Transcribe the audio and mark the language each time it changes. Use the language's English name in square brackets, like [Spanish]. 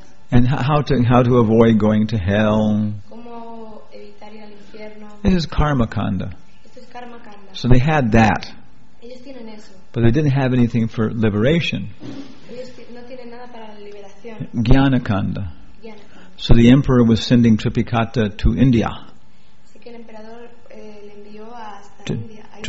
[English] And how to avoid going to hell. [Spanish] ¿Cómo evitar ir al infierno? [English] This is karma kanda. [Spanish] Esto es karma kanda. [English] So they had that. [Spanish] Ellos tienen eso. [English] But they didn't have anything for liberation. [Spanish] Ellos no tienen nada para la liberación. [English] Jnana kanda. So the emperor was sending Tripikata to India. [Spanish] Así que el emperador, le envió hasta India.